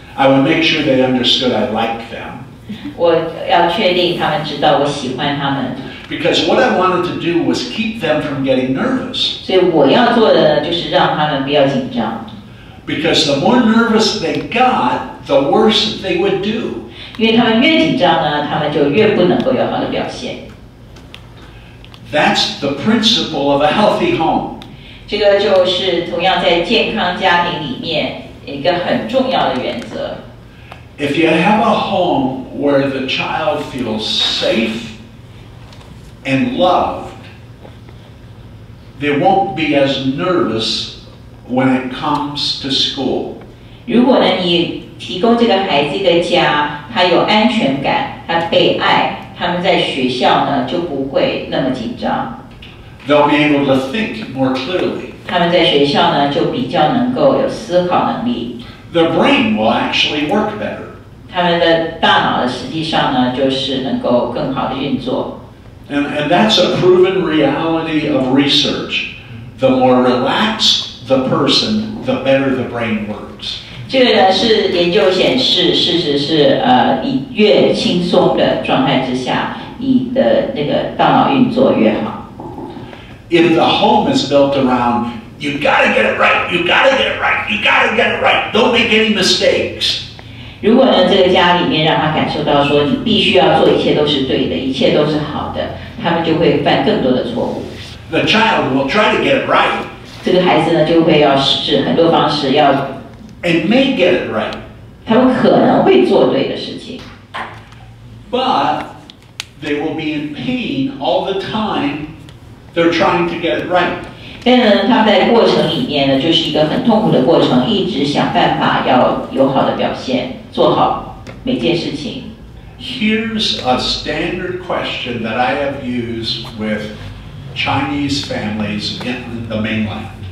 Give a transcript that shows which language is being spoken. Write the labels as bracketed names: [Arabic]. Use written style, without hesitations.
[English] I would make sure they understood I liked them. [Chinese] 我要确定他们知道我喜欢他们。 [English] Because what I wanted to do was keep them from getting nervous. [Chinese] 所以我要做的就是让他们不要紧张。 [English] Because the more nervous they got, the worse they would do. [Chinese] 因为他们越紧张呢，他们就越不能够有好的表现。 [English] That's the principle of a healthy home. [Chinese] 这个就是同样在健康家庭里面一个很重要的原则。 [English] If you have a home where the child feels safe,and loved, they won't be as nervous when it comes to school. [Chinese] 如果呢，你提供这个孩子一个家，他有安全感，他被爱，他们在学校呢就不会那么紧张。 [English] They'll be able to think more clearly. [Chinese] 他们在学校呢就比较能够有思考能力。 [English] Their brain will actually work better. [Chinese] 他们的大脑的实际上呢就是能够更好的运作。 [English] And that's a proven reality of research. The more relaxed the person, the better the brain works. [Chinese] 这个呢是研究显示，事实是你越轻松的状态之下，你的那个大脑运作越好。 [English] If the home is built around, you gotta get it right, you gotta get it right, you gotta get it right, don't make any mistakes. [Chinese] 如果呢，这个家里面让他感受到说你必须要做一切都是对的，一切都是好的，他们就会犯更多的错误。 [English] The child will try to get it right. [Chinese] 这个孩子呢，就会要试试很多方式要。 [English] And may get it right. [Chinese] 他们可能会做对的事情。 [English] But they will be in pain all the time they're trying to get it right. [Chinese] 但呢，他们在过程里面呢，就是一个很痛苦的过程，一直想办法要有好的表现。做好每件事情。 [English] Here's a standard question that I have used with Chinese families in the mainland.